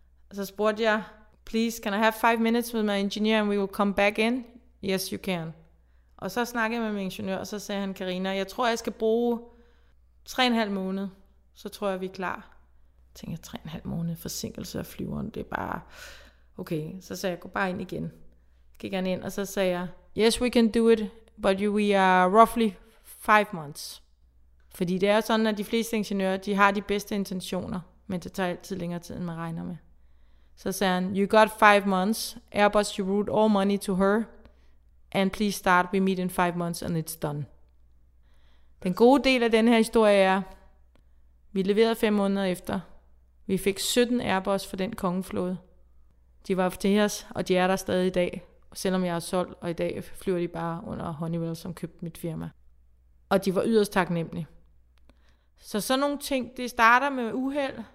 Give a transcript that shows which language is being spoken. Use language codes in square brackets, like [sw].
[da] Og så spurgte jeg, [en] please, can I have 5 minutes with my engineer and we will come back in? Yes, you can. [da] Og så snakkede jeg med min ingeniør, og så sagde han, Karina, jeg tror, jeg skal bruge 3,5 måneder, så tror jeg, vi er klar. Jeg tænker, 3,5 måneder forsinkelse af flyveren, det er bare... Okay, så sagde jeg, gå bare ind igen. Gik han ind, og så sagde jeg, [en] yes, we can do it, but we are roughly 5 months. [da] Fordi det er sådan, at de fleste ingeniører, de har de bedste intentioner, men det tager altid længere tid, end man regner med. Så sagde han, [en] you got 5 months, Airbus, you route all money to her, and please start, we meet in 5 months, and it's done. [da] Den gode del af den her historie er, vi leverede 5 måneder efter. Vi fik 17 Airbus for den kongeflåde. De var til os, og de er der stadig i dag. Selvom jeg er solgt, og i dag flyver de bare under Honeywell, som købte mit firma. Og de var yderst taknemmelige. Så sådan nogle ting, det starter med uheld.